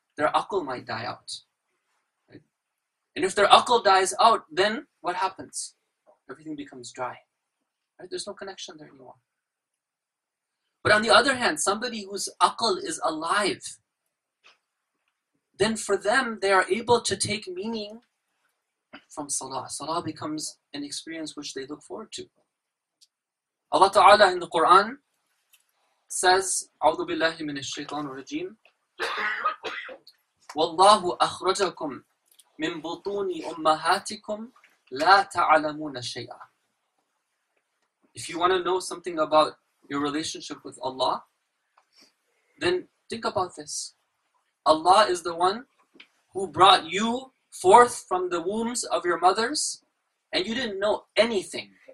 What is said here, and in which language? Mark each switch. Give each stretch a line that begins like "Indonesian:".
English: Their aql might die out. Right? And if their aql dies out, then what happens? Everything becomes dry. Right? There's no connection there anymore. But on the other hand, somebody whose aql is alive, then for them, they are able to take meaning from salah. Salah becomes an experience which they look forward to. Allah Ta'ala in the Quran says,
Arabic: أعوذ بالله من الشيطان الرجيم وَاللَّهُ أَخْرَجَكُمْ مِنْ بُطُونِ أُمَّهَاتِكُمْ لَا تَعْلَمُونَ شَيْئًا.
English: If you want to know something about your relationship with Allah, then think about this. Allah is the one who brought you forth from the wombs of your mothers, and you didn't know anything.